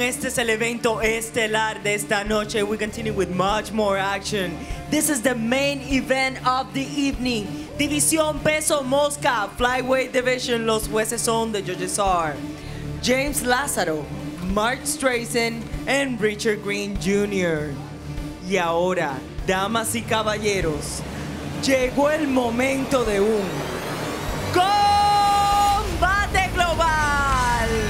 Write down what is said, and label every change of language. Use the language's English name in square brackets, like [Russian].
[Spanish] Este es el evento estelar de esta noche. [English] We continue with much more action. This is the main event of the evening. [Spanish] División Peso Mosca, [English] Flyweight Division. [Spanish] Los jueces son, [English] the judges are James Lázaro, Mark Strazen, and Richard Green Jr. [Spanish] Y ahora, damas y caballeros, llegó el momento de un combate global.